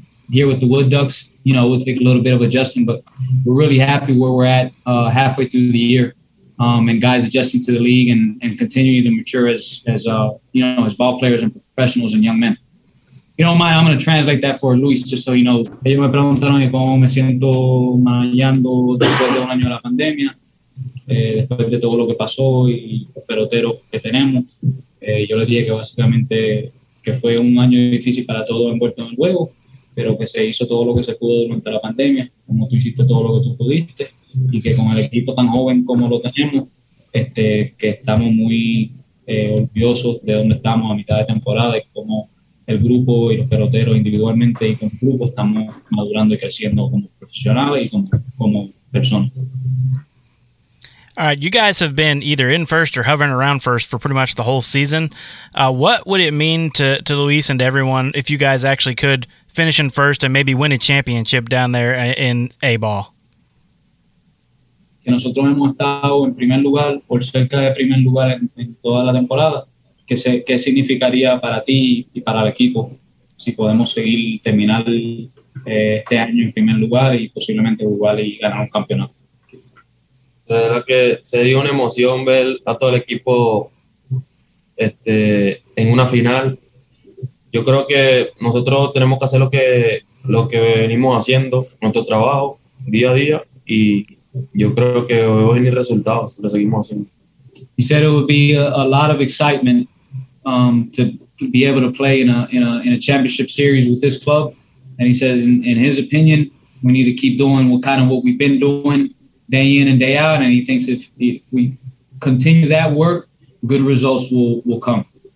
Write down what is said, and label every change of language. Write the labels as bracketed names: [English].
[English] Here with the Wood Ducks, you know, we'll take a little bit of adjusting, but we're really happy where we're at halfway through the year, and guys adjusting to the league and continuing to mature as ball players and professionals and young men. You don't mind, I'm going to translate that for Luis, just so you know. [Spanish] Ellos me preguntaron cómo me siento manejando después de un año de la pandemia. después de todo lo que pasó y los peloteros que tenemos. Yo le dije que básicamente que fue un año difícil para todos envueltos en el juego, pero que se hizo todo lo que se pudo durante la pandemia, como tú hiciste todo lo que tú pudiste, y que con el equipo tan joven como lo tenemos, que estamos muy orgullosos de dónde estamos a mitad de temporada y cómo el grupo y los peloteros individualmente y como grupo estamos madurando y creciendo como profesionales y como personas. [English] All right, you guys have been either in first or hovering around first for pretty much the whole season. What would it mean to Luis and to everyone if you guys actually could finish in first and maybe win a championship down there in A-ball? [Spanish] Que nosotros hemos estado en primer lugar, por cerca de primer lugar en toda la temporada. ¿Qué significaría para ti y para el equipo si podemos seguir terminar este año en primer lugar y posiblemente jugar y ganar un campeonato? La verdad que sería una emoción ver a todo el equipo en una final. Yo creo que nosotros tenemos que hacer lo que venimos haciendo, nuestro trabajo, día a día, y yo creo que va a venir resultados, lo seguimos haciendo. [English] He said it would be a lot of excitement to be able to play in a championship series with this club. And he says, in his opinion, we need to keep doing what we've been doing day in and day out, and he thinks if we continue that work, good results will come.